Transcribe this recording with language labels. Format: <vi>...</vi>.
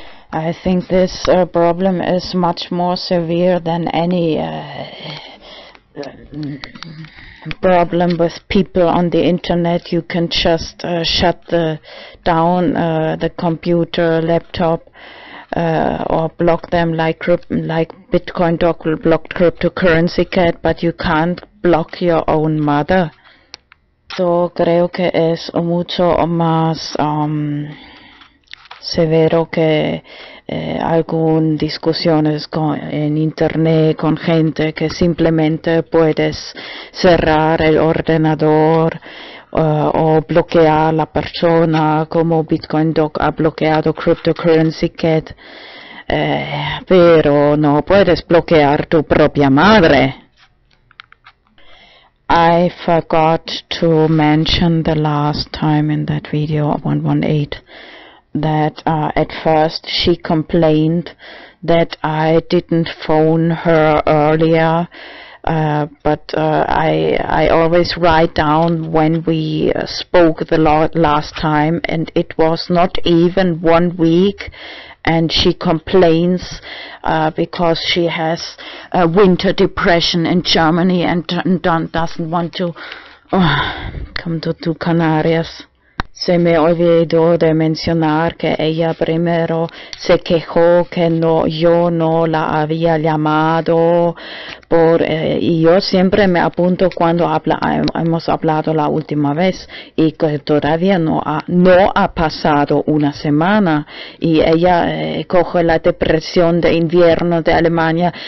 <en>I think this problem is much more severe than any problem with people on the internet. You can just shut down the computer, laptop, or block them like Bitcoin Dog blocked cryptocurrency cat, but you can't block your own mother.</en> <es>So creo que es mucho más severo que algún discusiones en internet con gente que simplemente puedes cerrar el ordenador o bloquear la persona como Bitcoin Dog ha bloqueado cryptocurrency cat, pero no puedes bloquear tu propia madre.</es> <en>I forgot to mention the last time in that video 118 that at first she complained that I didn't phone her earlier, but I always write down when we spoke the last time, and it was not even 1 week, and she complains because she has a winter depression in Germany and doesn't want to come to Canarias.</en> <es>Se me olvidó de mencionar que ella primero se quejó que no, yo no la había llamado por, y yo siempre me apunto cuando hemos hablado la última vez y que todavía no ha pasado una semana y ella coge la depresión de invierno de Alemania.</es>